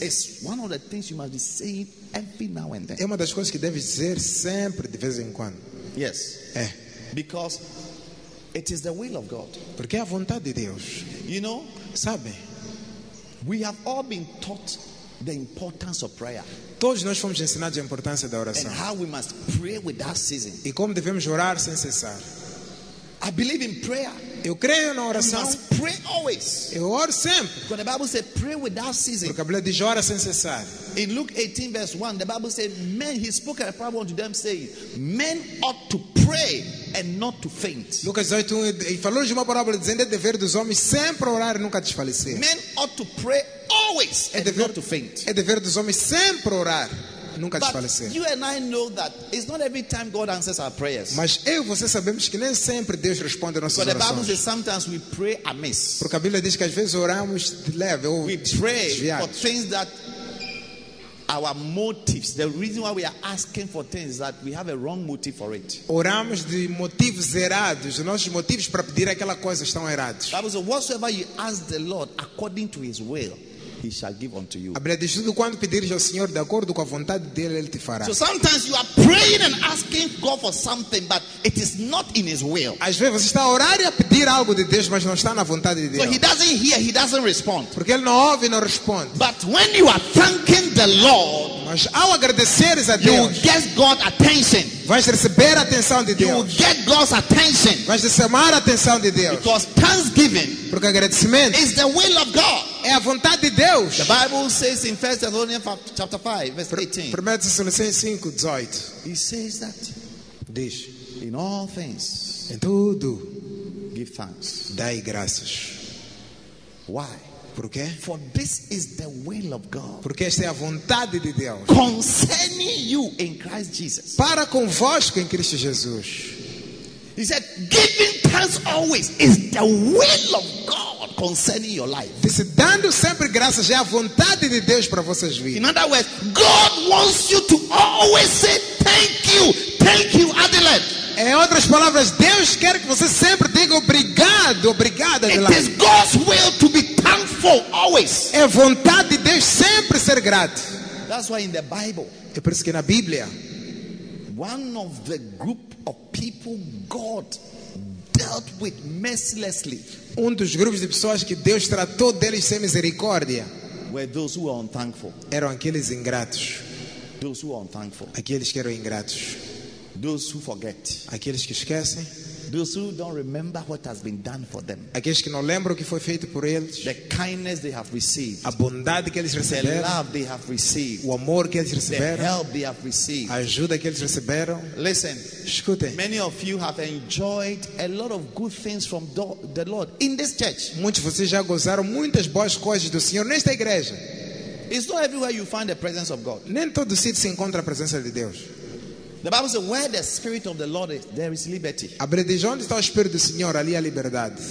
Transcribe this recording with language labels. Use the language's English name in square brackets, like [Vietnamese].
[English] It's one of the things you must be saying every now and then. [Portuguese] É uma das coisas que deve dizer sempre de vez em quando. [English] Yes. [Portuguese] É. [English] Because it is the will of God. [Portuguese] Porque é a vontade de Deus. [English] You know? [Portuguese] Sabe? [English] We have all been taught the importance of prayer. [Portuguese] Todos nós fomos ensinados a importância da oração. [English] And how we must pray without ceasing. [Portuguese] E como devemos orar sem cessar. [English] I believe in prayer. [Portuguese] Eu creio na oração. [English] We must pray always. [Portuguese] Eu oro sempre. [English] Because the Bible says pray without ceasing. [Portuguese] Porque a Bíblia diz orar sem cessar. [English] In Luke 18 verse 1, the Bible says men, he spoke a parable unto them saying, men ought to pray and not to faint. [Portuguese] Lucas 18:1, ele falou de uma parábola dizendo é dever dos homens sempre orar e nunca desfalecer. [English] Men ought to pray always and not to faint. [Portuguese] É dever dos homens sempre orar. Nunca [English] but [Portuguese] desfalecer. [English] You and I know that it's not every time God answers our prayers. [Portuguese] Mas eu e você sabemos que nem sempre Deus responde às nossas orações. [English] The Bible says sometimes we pray amiss. [Portuguese] Porque a Bíblia diz que às vezes oramos de leve ou [English] we pray [Portuguese] desviados. [English] For things that our motives, the reason why we are asking for things is that we have a wrong motive for it. [Portuguese] Oramos de motivos errados. Os nossos motivos para pedir aquela coisa estão errados. [English] The Bible says whatsoever you ask the Lord according to his will, he shall give unto you. [Portuguese] A Bíblia diz tudo quando pedires ao Senhor de acordo com a vontade dele, ele te fará. [English] So sometimes you are praying and asking God for something, but it is not in his will. [Portuguese] Às vezes você está a orar e a pedir algo de Deus, mas não está na vontade de Deus. [English] So he doesn't hear, he doesn't respond. [Portuguese] Porque ele não ouve e não responde. [English] But when you are thanking the Lord, [Portuguese] mas ao agradeceres a Deus, [English] you will get God's attention. [Portuguese] Vais receber a atenção de Deus. [English] You will get God's attention. [Portuguese] Vais receber a atenção de Deus. [English] Because thanksgiving, [Portuguese] porque agradecimento, [English] is the will of God. [Portuguese] É a vontade de Deus. [English] The Bible says in 1 Thessalonians chapter 5 verse 18. 1 Thessalonians 5:18. He says that. [Portuguese] Diz, [English] in all things. [Portuguese] Em tudo. [English] Give thanks. [Portuguese] Dai graças. [English] Why? [Portuguese] Por quê? [English] For this is the will of God. [Portuguese] Porque esta é a vontade de Deus. [English] Concerning you in Christ Jesus. [Portuguese] Para convosco em Cristo Jesus. [English] He said, giving thanks always is the will of God. Concerning your life. [Portuguese] Disse, dando sempre graças é a vontade de Deus para vocês virem. [English] In other words, God wants you to always say thank you, Adelaide. [Portuguese] Em outras palavras, Deus quer que você sempre diga obrigado, obrigado, Adelaide. [English] It is God's will to be thankful always. [Portuguese] É vontade de Deus sempre ser grato. [English] That's why in the Bible. [Portuguese] É por isso que na Bíblia, [English] one of the group of people God dealt with mercilessly. [Portuguese] Um dos grupos de pessoas que Deus tratou deles sem misericórdia [English] were those who are unthankful. [Portuguese] Eram aqueles ingratos. [English] Those who are unthankful. [Portuguese] Aqueles que eram ingratos. [English] Those who forget. [Portuguese] Aqueles que esquecem. [English] Those who don't remember what has been done for them. [Portuguese] Aqueles que não lembram o que foi feito por eles. [English] The kindness they have received. [Portuguese] A bondade que eles receberam. [English] The love they have received. [Portuguese] O amor que eles receberam. [English] The help they have received. [Portuguese] A ajuda que eles receberam. [English] Listen. [Portuguese] Escutem. [English] Many of you have enjoyed a lot of good things from the Lord in this church. [Portuguese] Muitos de vocês já gozaram muitas boas coisas do Senhor nesta igreja. [English] It's not everywhere you find the presence of God. [Portuguese] Nem todo sítio se encontra a presença de Deus. [English] The Bible says, "Where the Spirit of the Lord is, there is liberty." [Portuguese] A beleza onde está o Espírito do Senhor ali a liberdade.